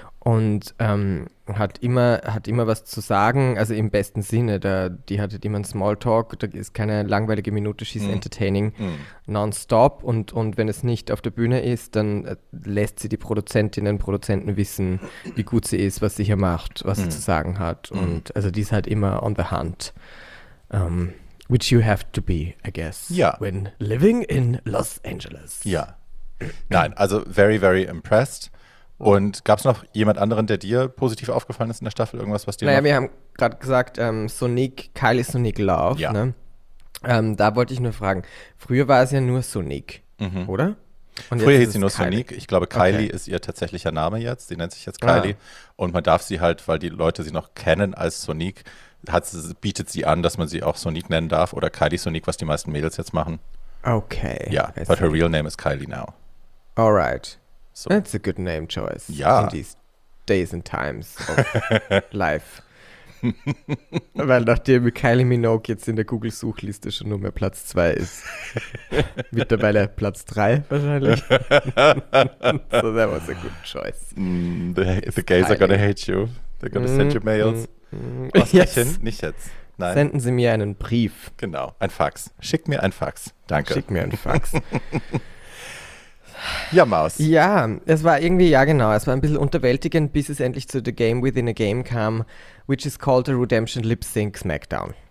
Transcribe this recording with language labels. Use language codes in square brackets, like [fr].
[de] Und hat immer was zu sagen, also im besten Sinne, die hatte immer einen Smalltalk, da ist keine langweilige Minute, [en] she's entertaining nonstop [de] und wenn es nicht auf der Bühne ist, dann lässt sie die Produzentinnen und Produzenten wissen, wie gut sie ist, was sie hier macht, was sie zu sagen hat und also die ist halt immer [en] on the hunt, which you have to be, I guess, when living in Los Angeles. [de] Ja, nein, also [en] very, very impressed. [de] Und gab es noch jemand anderen, der dir positiv aufgefallen ist in der Staffel? Irgendwas, was dir Naja, wir haben gerade gesagt, Sonique, Kylie Sonique Love. Ja. Ne? Da wollte ich nur fragen, früher war es ja nur Sonique, oder? Und früher hieß sie nur Kylie. Sonique. Ich glaube, Kylie ist ihr tatsächlicher Name jetzt. Sie nennt sich jetzt Kylie. Ah. Und man darf sie halt, weil die Leute sie noch kennen als Sonique, bietet sie an, dass man sie auch Sonique nennen darf. Oder Kylie Sonique, was die meisten Mädels jetzt machen. Okay. Ja, yeah. [en] But her real name is Kylie now. All right. So. That's a good name choice in these days and times of life. [de] Weil nachdem Kylie Minogue jetzt in der Google-Suchliste schon nur mehr Platz 2 ist, mittlerweile Platz 3 wahrscheinlich. [en] So that was a good choice. The gays Kylie. Are gonna hate you. They're gonna send you mails. [de] Nicht jetzt. Nein. Senden Sie mir einen Brief. Genau, ein Fax. Schick mir ein Fax. Danke. Schick mir ein Fax. Ja, Maus. Ja, es war irgendwie, es war ein bisschen unterwältigend, bis es endlich zu The Game Within a Game kam, [en] which is called a Redemption Lip Sync Smackdown.